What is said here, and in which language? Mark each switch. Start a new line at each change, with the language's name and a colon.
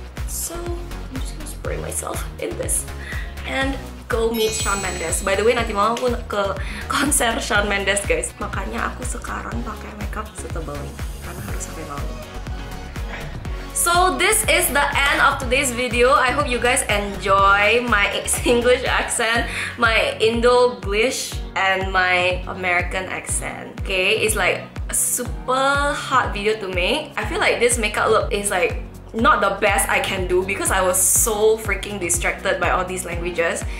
English: So, I'm just gonna spray myself in this and go meet Shawn Mendes. By the way,
Indonesian: nanti malam aku ke konser Shawn Mendes guys. Makanya aku sekarang pakai makeup setebal ini karena harus sampai malam.
English: So this is the end of today's video. I hope you guys enjoy my Singlish accent, my Indo-glish, and my American accent. Okay, it's like a super hard video to make. I feel like this makeup look is like not the best I can do because I was so freaking distracted by all these languages.